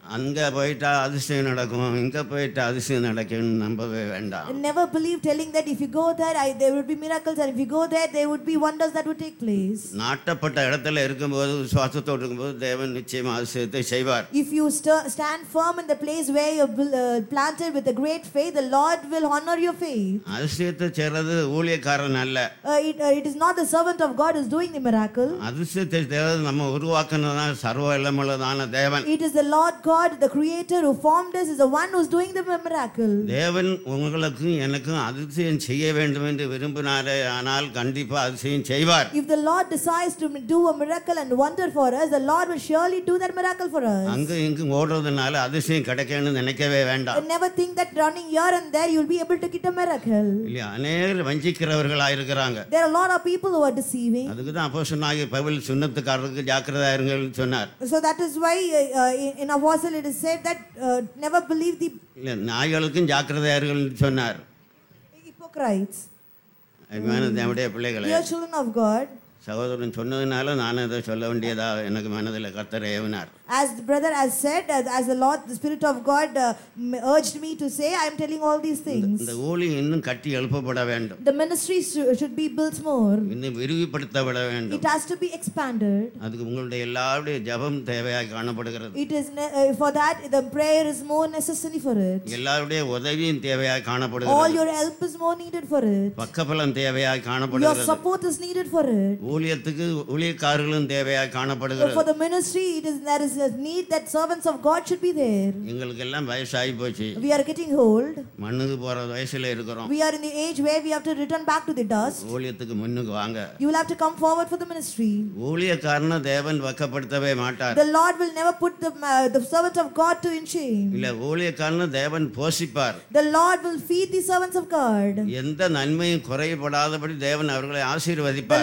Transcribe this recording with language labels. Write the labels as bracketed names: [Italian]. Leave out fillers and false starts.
[Tamil] அங்க போய்ட்டா அதிசயம் நடக்கும், இங்க போய்ட்டா அதிசயம் நடக்கும்னு நம்பவே வேண்டாம். [English] Never believe telling that if you go there, there would be miracles, and if you go there would be wonders that would take place. [Tamil] நாட்டப்பட்ட இடத்துல இருக்கும்போது விசுவாசத்தோடு இருக்கும்போது தேவன் நிச்சயமா அதிசயத்தை செய்வார். [English] If you stand firm in the place where you planted with a great faith, the Lord will honor your faith. [Tamil] அதிசயத்தை செய்றது ஊழியக்காரன் அல்ல. [English] It is not the servant of God who is doing the miracle. [Tamil] அதிசயத்தை தேவன் நம்ம உருவாக்குனதா சர்வ வல்லமுள்ளதான தேவன். [English] It is the Lord God, the creator who formed us, is the one who is doing the miracle. [Tamil] தேவன் உங்களுக்கு எனக்கு அதிசயம் செய்ய வேண்டும் என்று விரும்பினாரே ஆனால் கண்டிப்பா அதிசயம் செய்வார். [English] If the Lord decides to do a miracle and wonder for us, the Lord will surely do that miracle for us. [Tamil] அங்க இங்க ஓடுறதுனால அதிசயம் கிடைக்கணும்னு நினைக்கவே வேண்டாம். [English] And never think that running here and there you will be able to get a miracle. [Tamil] இல்ல, அநேகர் வஞ்சிக்கிறவர்களா இருக்காங்க. [English] There are a lot of people who are deceiving. [Tamil] அதுக்கு தான் அப்போஸ்தலனாகிய பவுல் சுன்னத்துக்காரருக்கு ஜாக்கிரதையா இருங்கன்னு சொன்னார். [English] So that is why in our apostle it is said that never believe the [Tamil] நாய்களுக்கும் ஜாக்கிரதையா இருங்கன்னு சொன்னார். [English] Hypocrites. [Tamil] அன்பான தேவனுடைய பிள்ளைகளே. [English] Dear children of God. [Tamil] சகோதரன் சொன்னதுனால நான் இதை சொல்ல வேண்டியதா எனக்கு மனதில் கர்த்தர் ஏவினார். [English] As the brother has said, as the Lord, the Spirit of God urged me to say, I am telling all these things. [Tamil] The ஊழியம் இன்னும் கட்டி எழுப்பப்பட வேண்டும். [English] The ministry should be built more. [Tamil] இன்னும் விரிவுபடுத்தப்பட வேண்டும். [English] It has to be expanded. [Tamil] அதுக்கு உங்களுடைய எல்லாருடைய ஜெபம் தேவையாக காணப்படுகிறது. [English] It is for that the prayer is more necessary for it. [Tamil] எல்லாருடைய உதவியும் தேவையாக காணப்படுகிறது. [English] All your help is more needed for it. [Tamil] பக்கபலம் தேவையாக காணப்படுகிறது. [English] Your support is needed for it. [Tamil] ஊழியத்துக்கு ஊழியக்காரர்களும் தேவையாக காணப்படுகிறது. [English] For the ministry it is there is a need that servants of God should be there. [Tamil] எங்களுக்கெல்லாம் வயசாயி போச்சு. [English] We are getting old. [Tamil] மண்ணுக்கு போற வயசுல இருக்கிறோம். [English] We are in the age where we have to return back to the dust. [Tamil] ஊழியத்துக்கு முன்னுக்கு வாங்க. [English] You will have to come forward for the ministry. [Tamil] ஊழியக்காரன தேவன் வக்கப்படுத்தவே மாட்டார். [English] The Lord will never put the servant of God to in shame. [Tamil] இல்ல, ஊழியக்காரன தேவன் போஷிப்பார். [English] The Lord will feed the servants of God. [Tamil] எந்த நன்மையும் குறையப்படாதபடி தேவன் அவர்களை ஆசீர்வதிப்பார்.